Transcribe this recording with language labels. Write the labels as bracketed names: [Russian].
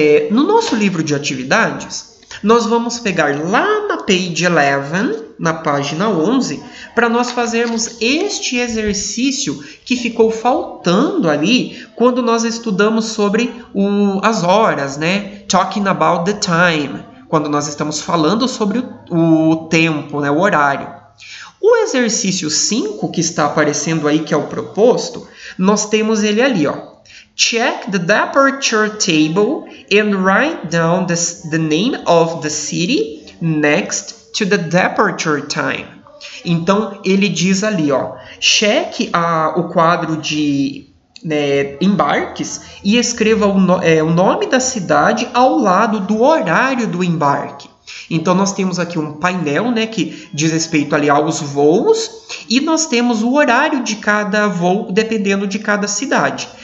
[Portuguese] No nosso livro de atividades, nós vamos pegar lá na page 11, na página 11, para nós fazermos este exercício que ficou faltando ali quando nós estudamos sobre as horas, né? [English] Talking about the time, [Portuguese] quando nós estamos falando sobre o tempo, né? O horário. O exercício 5 que está aparecendo aí, que é o proposto, nós temos ele ali, ó. [English] Check the departure table and write down the name of the city next to the departure time. [Portuguese] Então, ele diz ali, ó, cheque o quadro de embarques e escreva o nome da cidade ao lado do horário do embarque. Então, nós temos aqui um painel, né, que diz respeito ali aos voos, e nós temos o horário de cada voo, dependendo de cada cidade.